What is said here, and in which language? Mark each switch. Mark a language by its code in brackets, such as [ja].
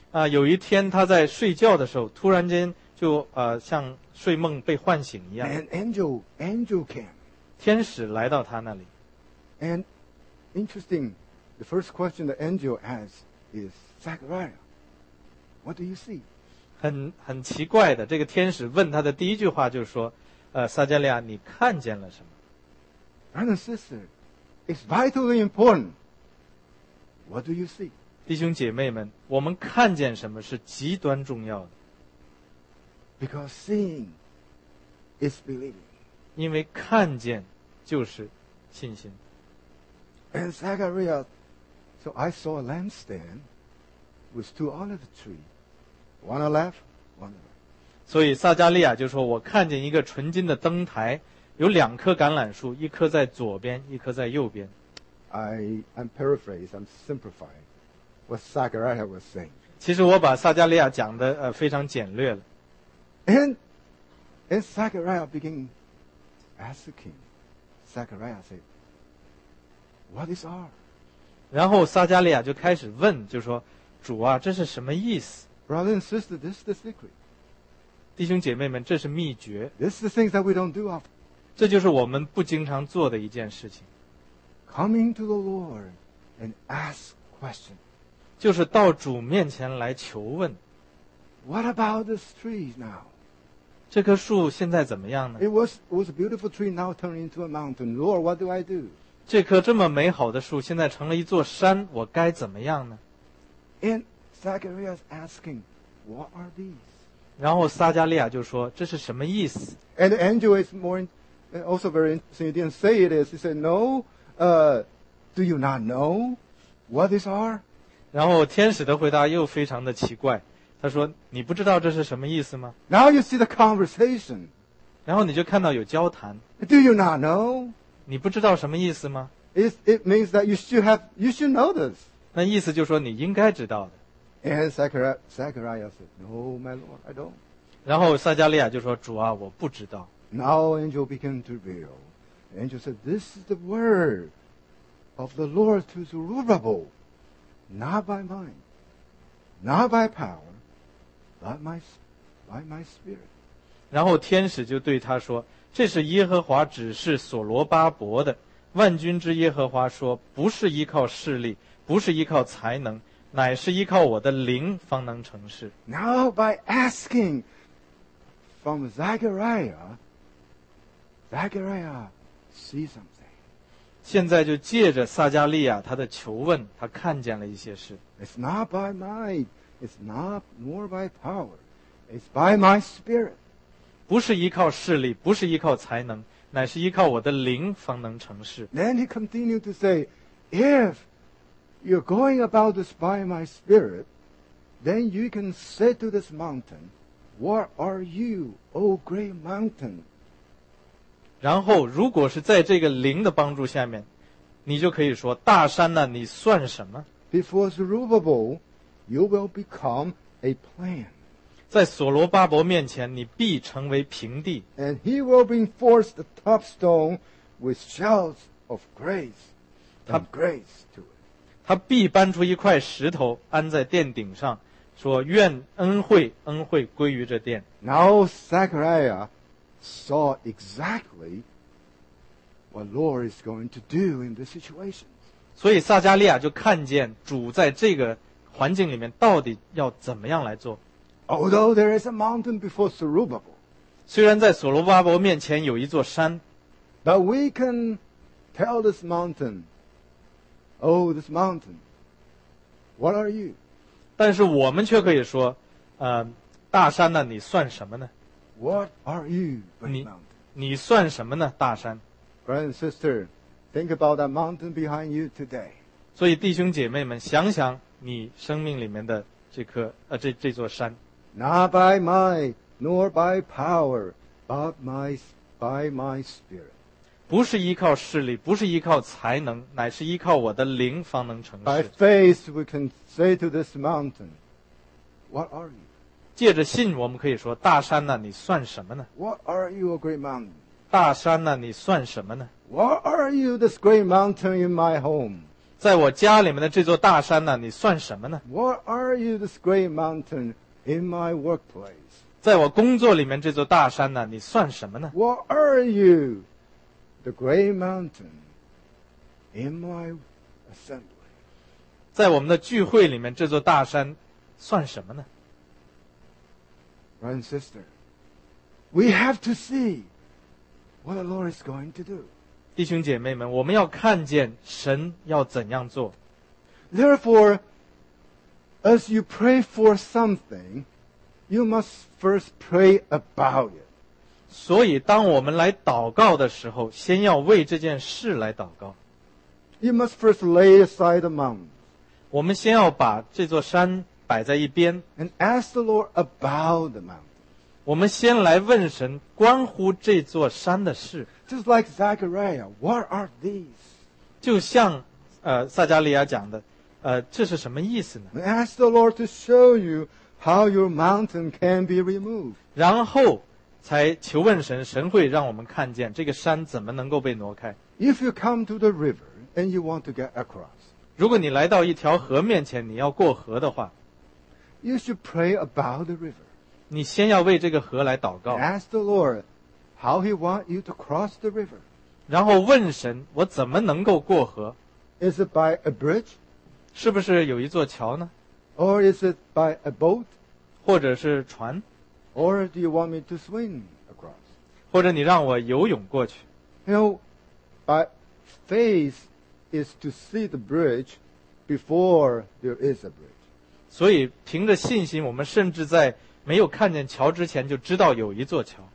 [zh] 有一天他在睡觉的时候，突然间就像睡梦被唤醒一样。 [en] And angel came. [zh] 天使来到他那里。 [en] And interesting, the first question the angel asks is, Zechariah, what do you see? [zh] 很奇怪的，这个天使问他的第一句话就是说，撒迦利亚，你看见了什么？ [en] Brother and sister, it's vitally important. What do you see? [zh] 弟兄姐妹们，我们看见什么是极端重要的。 [en] Because seeing is believing. [zh] 因为看见就是信心。 [en] And Zechariah, so I saw a lampstand with two olive trees, one on the left, one on the right. [zh] 所以撒迦利亚就说，我看见一个纯金的灯台，有两棵橄榄树，一棵在左边，一棵在右边。 [en] I'm paraphrase, I'm simplifying what Zechariah was saying. [zh] 其实我把撒迦利亚讲的非常简略了。 [en] And Zechariah began asking. Zechariah said, "What is all?" [zh] 然后撒迦利亚就开始问，就说：“主啊，这是什么意思 [en] ？”Brother and sister, this is the secret. [zh] 弟兄姐妹们，这是秘诀。 [en] This is the things that we don't do often. [zh] 这就是我们不经常做的一件事情。 [en] Coming to the Lord and ask question. [zh] 就是到主面前来求问。 [en] What about this tree now? [zh] 这棵树现在怎么样呢？ [en] It was a beautiful tree now turned into a mountain. Lord, what do I do? [zh] 这棵这么美好的树现在成了一座山，我该怎么样呢？ [en] And Zechariah is asking, what are these? [zh] 然后撒迦利亚就说，这是什么意思？ [en] And the angel is also very interesting. He didn't say it is. He said, no, do you not know what these are? [zh] 然后天使的回答又非常的奇怪。他说：“你不知道这是什么意思吗？” [en] Now you see the conversation. [zh] 然后你就看到有交谈。 [en] Do you not know? [zh] 你不知道什么意思吗？ [en] It means that you should know this. [zh] 那意思就是说你应该知道的。 [en] And Zechariah said, "No, my Lord, I don't." [zh] 然后撒迦利亚就说：“主啊，我不知道。” [en] Now angel began to reveal. Angel said, "This is the word of the Lord to Zerubbabel." not by mind, not by power, but by my spirit. [zh] 然后天使就对他说，这是耶和华指示所罗巴伯的，万军之耶和华说，不是依靠势力，不是依靠才能，乃是依靠我的灵方能成事。 [en] Now by asking from Zechariah see something. [zh] 现在就借着撒加利亚他的求问，他看见了一些事。 [en] It's not by mind, it's not more by power, it's by my spirit. [zh] 不是依靠势力，不是依靠才能，乃是依靠我的灵方能成事。 [en] Then he continued to say, if you're going about this by my spirit, then you can say to this mountain, what are you, O great mountain? [zh] 然后如果是在这个灵的帮助下面，你就可以说，大山呢，你算什么？ [en] Before Zerubbabel, you will become a plain. [zh] 在所罗巴伯面前，你必成为平地。 [en] And he will bring forth the top stone with shouts of grace and grace to it. [zh] 他必搬出一块石头安在殿顶上，说愿恩惠恩惠归于这殿。 [en] Now Zechariah saw exactly what Lord is going to do in this situation. [zh] 所以撒加利亚就看见主在这个环境里面到底要怎么样来做。 [en] Although there is a mountain before Zerubbabel, [zh] 虽然在所罗巴伯面前有一座山， [en] But we can tell this mountain,Oh, this mountain, what are you? [zh] 但是我们却可以说，大山呢，你算什么呢？ [en] What are you, great mountain? [zh] 你算什么呢，大山？ [en] Brother and sister, think about that mountain behind you today. [zh] 所以弟兄姐妹们，想想你生命里面的这座山。 [en] Not by might, nor by power, but by my spirit. [zh] 不是依靠势力，不是依靠才能，乃是依靠我的灵方能成事。 [en] By faith we can say to this mountain, what are you? [zh] 借着信我们可以说，大山呢，你算什么呢？ [en] What are you, a great mountain? [zh] 大山呢，你算什么呢？ [en] What are you, this great mountain in my home? [zh] 在我家里面的这座大山呢，你算什么呢？ [en] What are you, this great mountain in my workplace? [zh] 在我工作里面这座大山呢，你算什么呢？ [en] What are you? The great mountain in my assembly. [zh] 在我们的聚会里面，这座大山算什么呢？ [en] Brother and sister, we have to see what the Lord is going to do. [zh] 弟兄姐妹们，我们要看见神要怎样做。 [en] Therefore, as you pray for something, you must first pray about it. [zh] 所以当我们来祷告的时候，先要为这件事来祷告。 [en] You must first lay aside the mountain. [zh] 我们先要把这座山摆在一边。 [en] And ask the Lord about the mountain. [zh] 我们先来问神关乎这座山的事。 [en] Just like Zechariah, what are these? [zh] 就像撒加利亚讲的，这是什么意思呢？ [en] And ask the Lord to show you how your mountain can be removed. [zh] 然后才求问神，神会让我们看见这个山怎么能够被挪开。 [en] If you come to the river and you want to get across, [zh] 如果你来到一条河面前，你要过河的话， [en] you should pray about the river. [zh] 你先要为这个河来祷告。 [en] Ask the Lord how he want you to cross the river. [zh] 然后问神，我怎么能够过河？ [en] Is it by a bridge? [zh] 是不是有一座桥呢？ [en] Or is it by a boat? [zh] 或者是船？ [en] Or do you want me to swim across? [zh] 或者你让我游泳过去。 [en] You know, by faith is to see the bridge before there is a bridge. [zh] 所以凭着信心，我们甚至在没有看见桥之前就知道有一座桥。